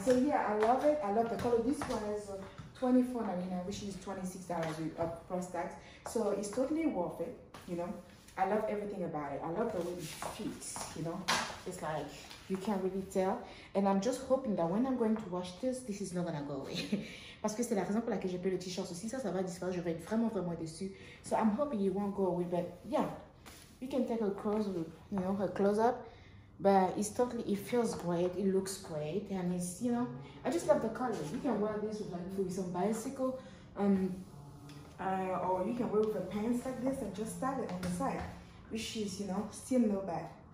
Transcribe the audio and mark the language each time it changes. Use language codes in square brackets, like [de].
[en] So yeah, I love it. I love the color. This one is $24.99, which is $26 of plus tax. So it's totally worth it, you know. I love everything about it. I love the way it fits, you know. It's like, you can't really tell. And I'm just hoping that when I'm going to wash this, this is not gonna go away. [fr] Parce que c'est la raison pour laquelle j'ai pris le t-shirt. So, si ça va disparaître, je vais être vraiment, vraiment dessus. [en] So I'm hoping it won't go away. But yeah, you can take a close look, you know, a close up. But it's totally, it feels great, it looks great, and it's, you know, I just love the color. You can wear this with some bicycle, or you can wear with a pants like this and just style it on the side, which is, you know, still no bad.